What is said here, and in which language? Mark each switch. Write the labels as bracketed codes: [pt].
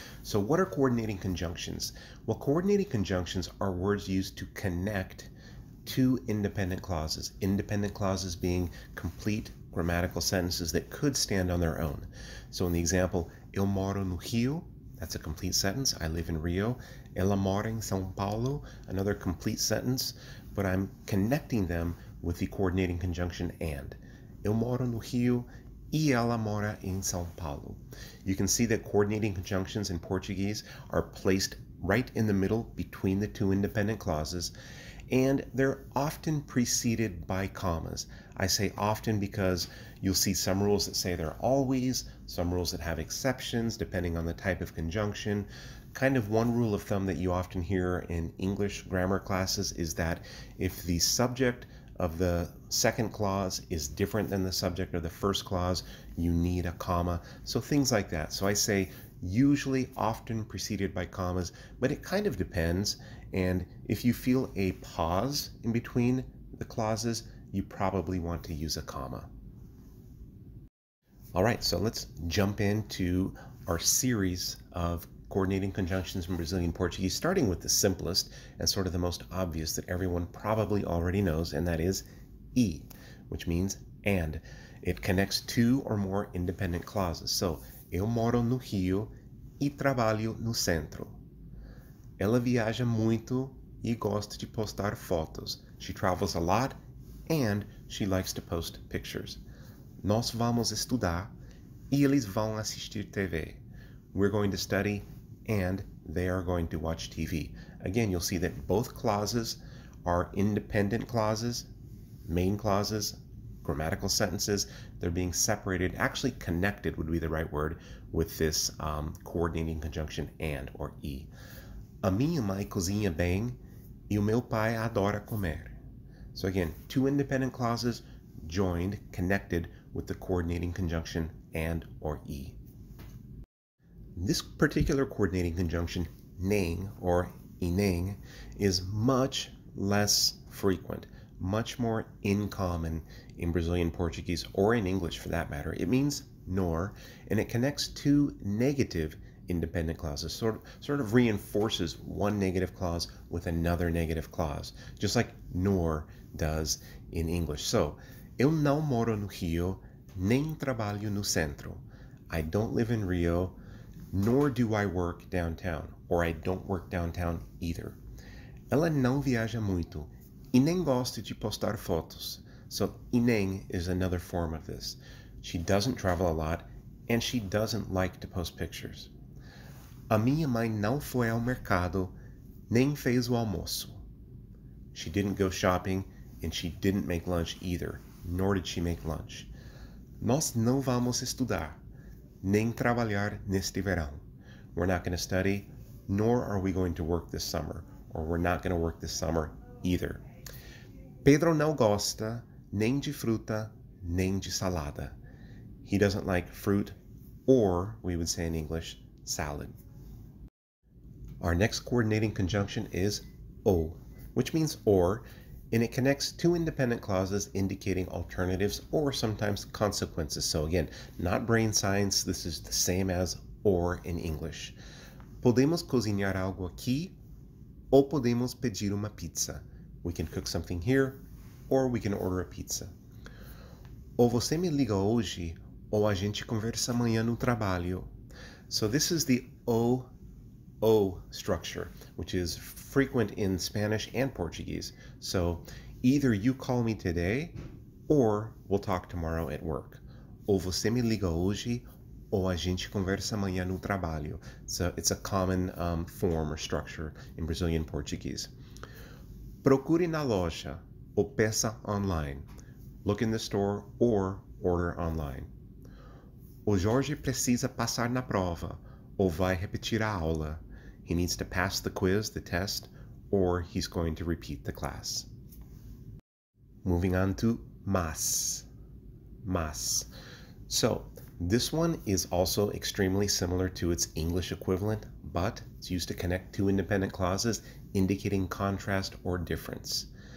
[en] So what are coordinating conjunctions? Well, coordinating conjunctions are words used to connect two independent clauses being complete grammatical sentences that could stand on their own. So in the example, [pt] eu moro no Rio, [en] that's a complete sentence, I live in Rio. [pt] Ela mora em São Paulo, [en] another complete sentence, but I'm connecting them with the coordinating conjunction and. [pt] Eu moro no Rio e ela mora em São Paulo. [en] You can see that coordinating conjunctions in Portuguese are placed right in the middle between the two independent clauses, and they're often preceded by commas. I say often because you'll see some rules that say they're always, some rules that have exceptions depending on the type of conjunction. Kind of one rule of thumb that you often hear in English grammar classes is that if the subject of the second clause is different than the subject of the first clause, you need a comma. So things like that. So I say usually often preceded by commas, but it kind of depends. And if you feel a pause in between the clauses, you probably want to use a comma. All right, so let's jump into our series of coordinating conjunctions in Brazilian Portuguese, starting with the simplest and sort of the most obvious that everyone probably already knows, and that is e, which means and. It connects two or more independent clauses. [pt] So, eu moro no Rio e trabalho no centro. Ela viaja muito e gosta de postar fotos. [en] She travels a lot and she likes to post pictures. [pt] Nós vamos estudar e eles vão assistir TV. [en] We're going to study and they are going to watch TV. Again, you'll see that both clauses are independent clauses, main clauses, grammatical sentences. They're being separated, actually connected would be the right word, with this coordinating conjunction and or e. [pt] A minha mãe cozinha bem e o meu pai adora comer. [en] So again, two independent clauses joined, connected with the coordinating conjunction and or e. This particular coordinating conjunction, nem or ineng, is much less frequent, much more in common in Brazilian Portuguese, or in English for that matter. It means nor, and it connects two negative independent clauses, sort of reinforces one negative clause with another negative clause, just like nor does in English. [pt] So, eu não moro no Rio, nem trabalho no centro. [en] I don't live in Rio, nor do I work downtown, or I don't work downtown either. [pt] Ela não viaja muito e nem gosta de postar fotos. [en] So, e nem is another form of this. She doesn't travel a lot, and she doesn't like to post pictures. [pt] A minha mãe não foi ao mercado, nem fez o almoço. [en] She didn't go shopping, and she didn't make lunch either, nor did she make lunch. [pt] Nós não vamos estudar. Nem trabalhar neste verão. [en] We're not going to study, nor are we going to work this summer, or we're not going to work this summer either. [pt] Pedro não gosta nem de fruta, nem de salada. [en] He doesn't like fruit or, we would say in English, salad. Our next coordinating conjunction is o, which means or, and it connects two independent clauses indicating alternatives or sometimes consequences. So again, not brain science, this is the same as or in English. [pt] Podemos cozinhar algo aqui ou podemos pedir uma pizza. [en] We can cook something here or we can order a pizza. [pt] Ou você me liga hoje ou a gente conversa amanhã no trabalho. [en] So this is the O structure, which is frequent in Spanish and Portuguese. So either you call me today or we'll talk tomorrow at work. [pt] Ou você me liga hoje ou a gente conversa amanhã no trabalho. [en] So it's a common form or structure in Brazilian Portuguese. [pt] Procure na loja ou peça online. [en] Look in the store or order online. [pt] O Jorge precisa passar na prova ou vai repetir a aula. [en] He needs to pass the quiz, the test, or he's going to repeat the class. Moving on to mas. So this one is also extremely similar to its English equivalent, but it's used to connect two independent clauses indicating contrast or difference.